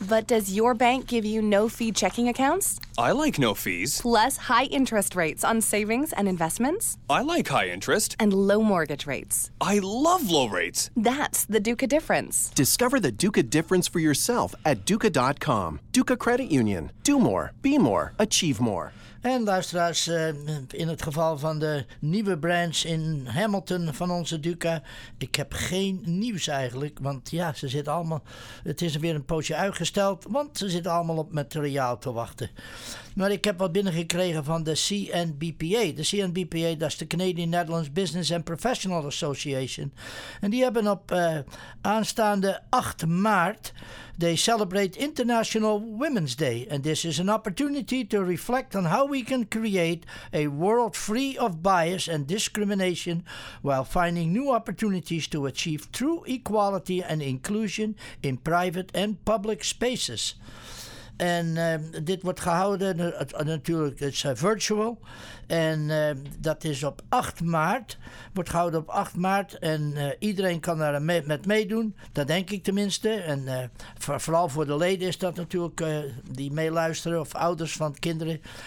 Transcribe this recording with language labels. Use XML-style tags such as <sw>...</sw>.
<en>But does your bank give you no-fee checking accounts? I like no fees. Plus high interest rates on savings and investments? I like high interest. And low mortgage rates? I love low rates. That's the Duca difference. Discover the Duca difference for yourself at Duca.com. Duca Credit Union. Do more. Be more. Achieve more.</en> <nl>En luisteraars, in het geval van de nieuwe branch in Hamilton van onze Duca, ik heb geen nieuws eigenlijk, want ja, ze zitten allemaal, het is weer een poosje uitgesteld, want ze zitten allemaal op materiaal te wachten. Maar ik heb wat binnengekregen van de CNBPA. De CNBPA, dat is de Canadian Netherlands Business and Professional Association. En die hebben op aanstaande 8 maart...</nl> <en>They celebrate International Women's Day, and this is an opportunity to reflect on how we can create a world free of bias and discrimination while finding new opportunities to achieve true equality and inclusion in private and public spaces.</en> <nl>En dit wordt gehouden, natuurlijk, het is virtual. En dat is op 8 maart. Wordt gehouden op 8 maart. En iedereen kan daar met meedoen. Dat denk ik tenminste. En vooral voor de leden is dat natuurlijk, die meeluisteren of ouders van kinderen.</nl>